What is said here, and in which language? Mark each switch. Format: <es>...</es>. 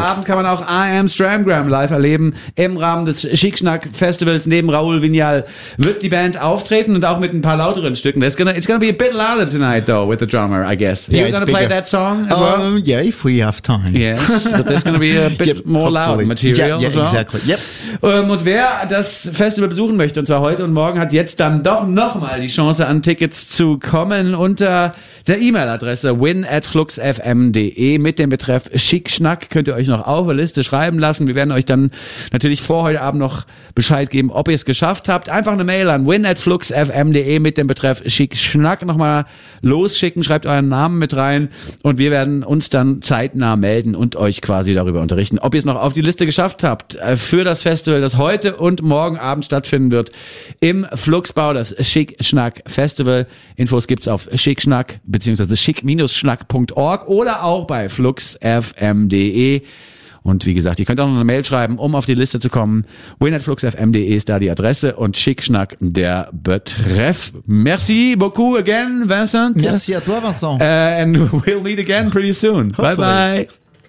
<de>Abend kann man auch I Am Stramgram live erleben. Im Rahmen des Schickschnack-Festivals neben Raoul Vignal wird die Band auftreten und auch mit ein paar lauteren Stücken.</de> <en>It's gonna be a bit louder tonight, though, with the drummer, I guess. Yeah, you're gonna play that song as well? Yeah, if we have time. Yes, but there's gonna be a bit more loud material as well. Exactly, yep.</en> <de>Und wer das Festival besuchen möchte, und zwar heute und morgen, hat jetzt dann doch nochmal die Chance, an Tickets zu kommen unter der E-Mail-Adresse win@fluxfm.de mit dem Betreff Schickschnack. Könnt ihr euch noch auf eine Liste schreiben lassen. Wir werden euch dann natürlich vor heute Abend noch Bescheid geben, ob ihr es geschafft habt. Einfach eine Mail an win@fluxfm.de mit dem Betreff Schickschnack nochmal losschicken. Schreibt euren Namen mit rein und wir werden uns dann zeitnah melden und euch quasi darüber unterrichten, ob ihr es noch auf die Liste geschafft habt für das Festival, das heute und morgen Abend stattfinden wird im Fluxbau, das Schickschnack Festival. Infos gibt's auf Schickschnack bzw. schick-schnack.org oder auch bei fluxfm.de. Und wie gesagt, ihr könnt auch noch eine Mail schreiben, um auf die Liste zu kommen. win@fluxfm.de ist da die Adresse und Schickschnack der Betreff.</de> <fr>Merci beaucoup</fr> <en>again,</en> <fr>Vincent. Merci à toi, Vincent.</fr> <en>And we'll meet again pretty soon. Hopefully. Bye bye.</en>